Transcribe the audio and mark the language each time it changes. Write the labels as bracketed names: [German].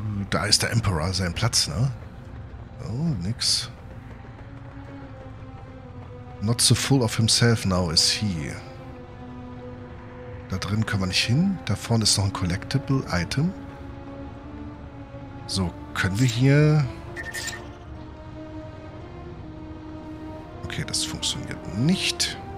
[German] Da ist der Emperor, sein Platz, ne? Oh, nix. [English] Not so full of himself now is he. [German] Da drin können wir nicht hin. Da vorne ist noch ein collectible item. So, können wir hier... Okay, das funktioniert nicht.